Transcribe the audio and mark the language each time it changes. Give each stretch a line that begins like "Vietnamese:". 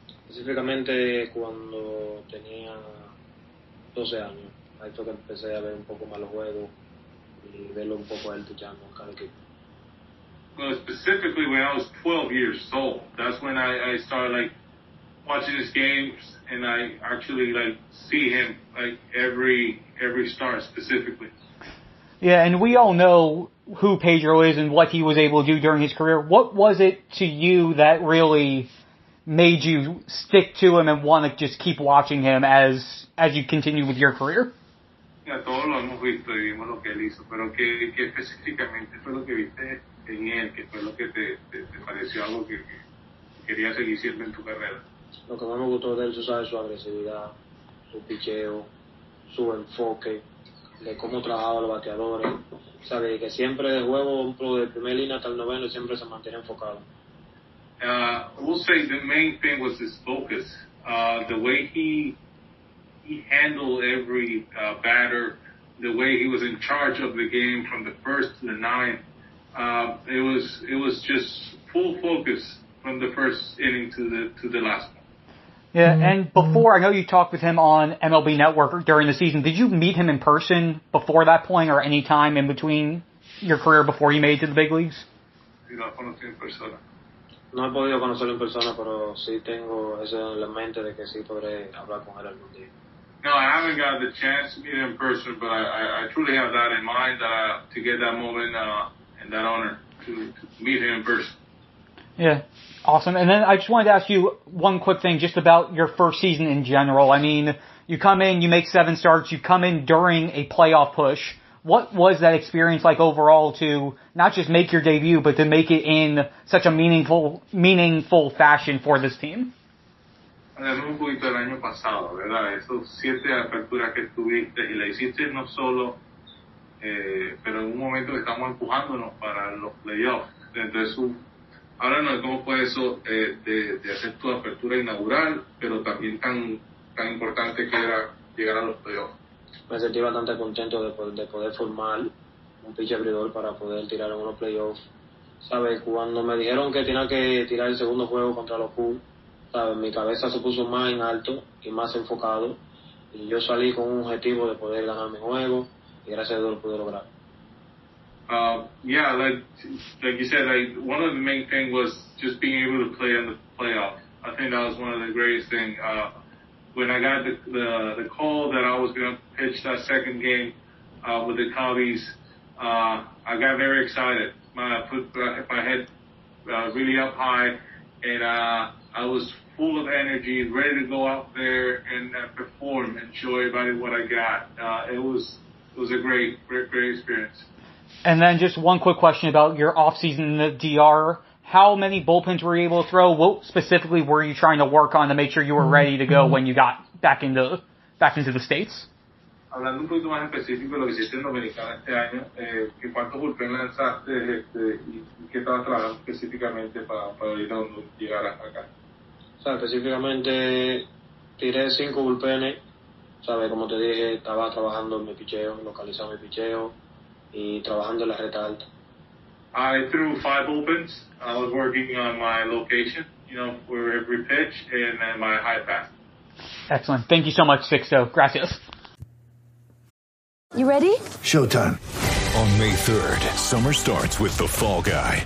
Spanish: Specifically, cuando tenía 12 años, ahí fue que empecé a ver un poco más los juegos y verlo un poco alto ya en cada equipo.
English: Well, specifically when I was 12 years old, that's when I started like watching his games, and I actually like see him like every start specifically. Yeah, and we all know who Pedro is and what he was able to do during his career. What was it to you that really made you stick to him and want to just keep watching him as you continue with your career?
Spanish: Yeah, todos lo hemos visto y vimos lo que él hizo, pero qué específicamente fue lo que viste en él, que fue lo que te pareció algo que quería seguir siendo en tu carrera. Lo que más me gustó de él, tú sabes, su agresividad, su picheo, su enfoque, de cómo trabajaba los bateadores, o sea, de que siempre de juego, de primera línea hasta el noveno, siempre se mantiene enfocado.
English: We'll say the main thing was his focus. The way he handled every batter, the way he was in charge of the game from the first to the ninth, it was just full focus from the first inning to the last one. Yeah, mm-hmm. And before, I know you talked with him on MLB Network during the season. Did you meet him in person before that point or any time in between your career before you made it to the big leagues? No, I haven't met him in person.
Spanish: No he podido conocerlo en persona, pero sí tengo eso en la mente de que sí podré hablar con él algún día.
English: No, I haven't got the chance to meet him in person, but I truly have that in mind to get that moment and that honor to meet him in person. Yeah, awesome. And then I just wanted to ask you one quick thing just about your first season in general. I mean, you come in, you make 7 starts, you come in during a playoff push. What was that experience like overall to not just make your debut, but to make it in such a meaningful fashion for this team?
Spanish: Hablamos un poquito del año pasado, ¿verdad? Esos 7 aperturas que tuviste y la hiciste no solo, pero en un momento que estamos empujándonos para los playoffs. Entonces, háblanos de cómo fue eso de hacer tu apertura inaugural, pero también tan importante que era llegar a los playoffs. Me sentí bastante contento de poder formar un pitcher abridor para poder tirar en unos playoffs. ¿Sabes? Cuando me dijeron que tenía que tirar el segundo juego contra los Cubs, ¿sabes? Mi cabeza se puso más en alto y más enfocado. Y yo salí con un objetivo de poder ganar mi juego y gracias a Dios lo pude lograr.
English: Yeah, like you said, one of the main things was just being able to play in the playoffs. I think that was one of the greatest things. When I got the call that I was going to pitch that second game with the Cubbies, I got very excited. I put my head really up high, and I was full of energy, ready to go out there and perform and show everybody what I got. It was a great, great, great experience. And then just one quick question about your offseason in the DR. How many bullpens were you able to throw? What specifically were you trying to work on to make sure you were ready to go when you got back into the States?
Spanish: Hablando un poquito más específico de lo que hiciste en Dominicana este año, ¿cuántos bullpen lanzaste y qué estabas trabajando específicamente para ir a donde llegaras acá? O sea, específicamente tiré 5 bullpenes. ¿Sabes? Como te dije, estaba trabajando en mi picheo, localizando mi picheo, y trabajando en la recta alta.
English: I threw 5 bullpens. I was working on my location, you know, for every pitch and then my high pass. Excellent. Thank you so much, Sixto. Gracias. You ready? Showtime. On May 3rd, summer starts with the Fall Guy.